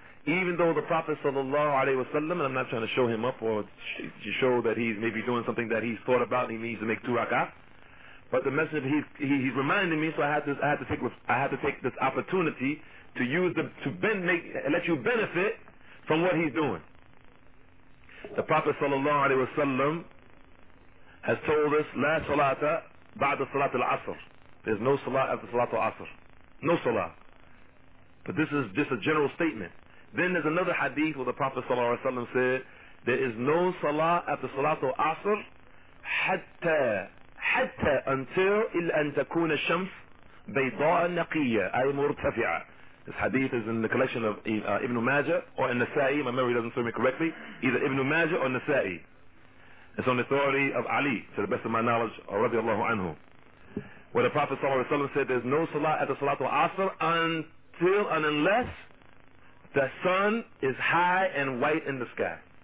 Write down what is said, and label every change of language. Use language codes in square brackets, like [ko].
[en] Even though the Prophet sallallahu alayhi wa sallam, and I'm not trying to show him up or to show that he's maybe doing something that he's thought about and he needs to make 2 rak'ah, but the Messenger, he's reminding me, so I have to take this opportunity to let you benefit from what he's doing. The Prophet sallallahu alaihi wasallam has told us, [ar] لا صلاة بعد صلاة العصر. [en] There's no salah after [ar] صلاة العصر. [en] No salah. But this is just a general statement. Then there's another hadith where the Prophet صلى الله عليه وسلم said, there is no salah after [ar] صلاة العصر حتى [en] until [ar] إلا أن تكون الشمس بيضاء نقية أي مرتفعة. [en] This hadith is in the collection of Ibn Majah or Nasa'i. My memory doesn't serve me correctly. Either Ibn Majah or Nasa'i. It's on the authority of Ali, to the best of my knowledge, or radiallahu anhu. Where the Prophet ﷺ said there's no salah at the Salatul Asr until and unless the sun is high and white in the sky.